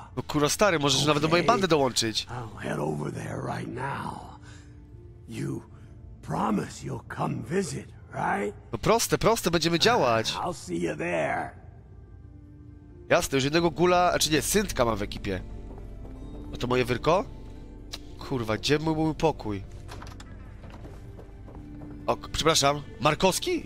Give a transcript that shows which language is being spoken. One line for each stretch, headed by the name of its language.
Polish: No kurwa, stary, możesz okay. Nawet do mojej bandy dołączyć.
English: I'll head over there right now. You promise you'll come visit, right?
Polish: No proste, będziemy działać.
English: I'll see you there.
Polish: Jasne, już jednego gula, czy nie, syntka mam w ekipie. A to moje wyrko? Kurwa, gdzie mój był pokój? O, przepraszam, Markowski?